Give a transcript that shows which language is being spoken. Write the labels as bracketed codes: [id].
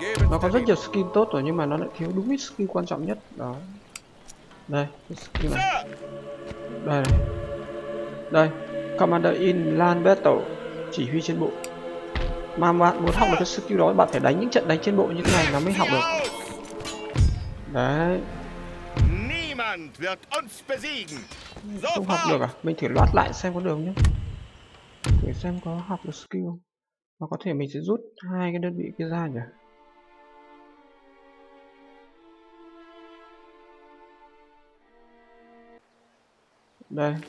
[vi] Nó có rất nhiều skill tốt rồi nhưng mà nó lại thiếu đúng cái skill quan trọng nhất đó. Đây, cái skill này. Đây này. Đây, Commander in Land Battle, chỉ huy trên bộ. Mà bạn muốn học được cái skill đó bạn phải đánh những trận đánh trên bộ như thế này nó mới học được. Đấy. [de] Niemand wird uns besiegen. [vi] Không học được à? Mình thử loát lại xem có được nhé. Thử xem có học được skill không. Mà có thể mình sẽ rút hai cái đơn vị kia ra nhỉ. Đây.